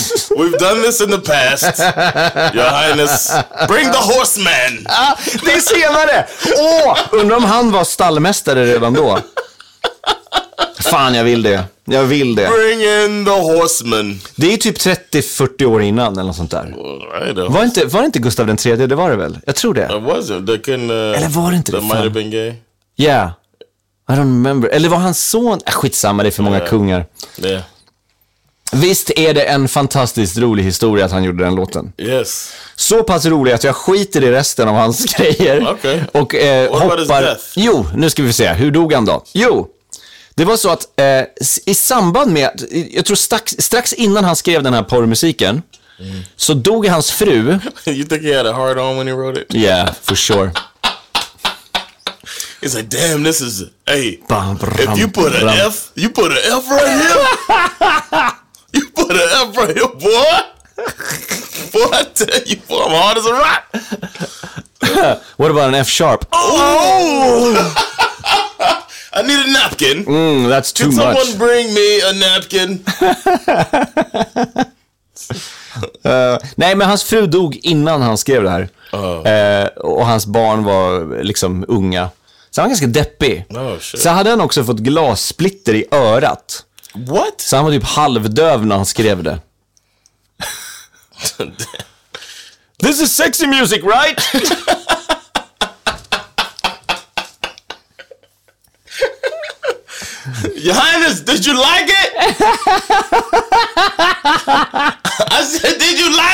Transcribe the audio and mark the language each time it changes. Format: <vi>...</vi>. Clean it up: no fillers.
<en>We've done this in the past, Your Highness. Bring the horseman.</en> <sv>Ah, det är senare. Åh, undrar om han var stallmästare redan då. Fan, jag vill det. Jag vill det.</sv> <en>Bring in the horseman.</en> <sv>Det är typ 30-40 år innan eller något sånt där.</sv> <en>Right,</en> <sv>var inte Gustav den tredje? Det var det väl. Jag tror det.</sv> <en>It was it. They can,</en> <sv>eller var det inte det?</sv> <en>Might have been gay. Yeah. I don't remember.</en> <sv>Eller var hans son? Skitsamma, det är för många kungar.</sv> <en>Yeah.</en> <sv>Visst är det en fantastiskt rolig historia att han gjorde den låten.</sv> <en>Yes.</en> <sv>Så pass rolig att jag skiter i resten av hans grejer.</sv> <en>Okay.</en> <sv>Och hoppar. Jo, nu ska vi se. Hur dog han då? Jo, det var så att i samband med, jag tror strax innan han skrev den här porrmusiken, så dog hans fru.</sv> <en>You think he had a hard on when he wrote it? Yeah, for sure. He's like, damn, this is, hey, if you put an F, you put an F right here, you put an F right here, boy, boy, I tell you, boy, I'm hard as a rock. What about an F sharp? Oh! I need a napkin. That's too much. Can someone bring me a napkin?</en> <sv>Nej, men hans fru dog innan han skrev det här. Och hans barn var liksom unga. Så han var ganska deppig.</sv> <en>Oh, shit.</en> <sv>Så hade han också fått glassplitter i örat.</sv> <en>What?</en> <sv>Så han var typ halvdöv när han skrev det.</sv> <en>This is sexy music, right? Your Highness, did you like it? I said, did you like it?</en>